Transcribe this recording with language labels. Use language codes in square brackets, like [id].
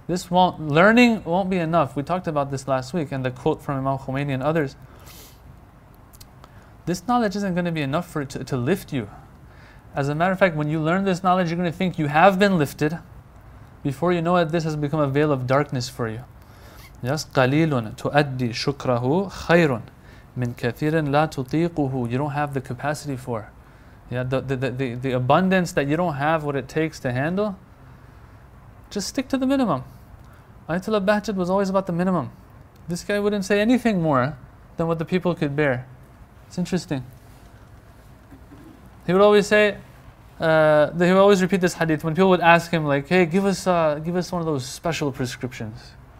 [en] Learning won't be enough. We talked about this last week and the quote from Imam Khomeini and others. This knowledge isn't going to be enough for it to lift you. As a matter of fact, when you learn this knowledge, you're going to think you have been lifted. Before you know it, this has become a veil of darkness for you. [ar] Yes, قَلِيلٌ تُؤَدِّي شُكْرَهُ خَيْرٌ مِنْ كَثِيرٍ لَا تُطِيقُهُ [en] You don't have the capacity for. Yeah, the abundance that you don't have what it takes to handle, just stick to the minimum. Ayatullah Bahjat was always about the minimum. This guy wouldn't say anything more than what the people could bear. It's interesting. He would always say, he would always repeat this hadith when people would ask him, like, hey, give us one of those special prescriptions.